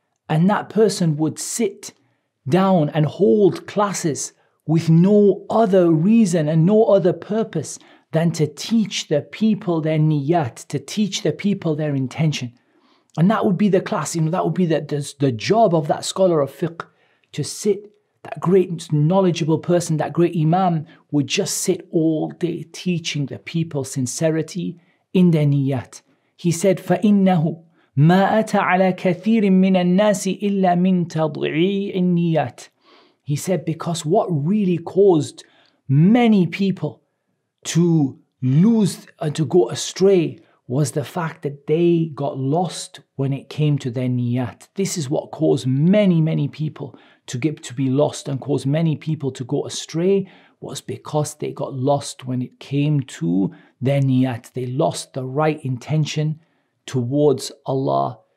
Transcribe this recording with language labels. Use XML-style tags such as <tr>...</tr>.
<en>And that person would sit down and hold classes with no other reason and no other purpose than to teach the people their niyat, to teach the people their intention. And that would be the class, you know, that would be the job of that scholar of fiqh, to sit, that great knowledgeable person, that great imam, would just sit all day teaching the people sincerity in their niyat. He said,</en> <ar>فَإِنَّهُ مَا أَتَى عَلَى كَثِيرٍ مِّنَ النَّاسِ إِلَّا مِنْ تَضْعِيعِ النِّيَّاتِ.</ar> <en>He said, because what really caused many people to lose and to go astray was the fact that they got lost when it came to their niyat. This is what caused many, many people to be lost and caused many people to go astray, was because they got lost when it came to their niyat. They lost the right intention towards Allah</en>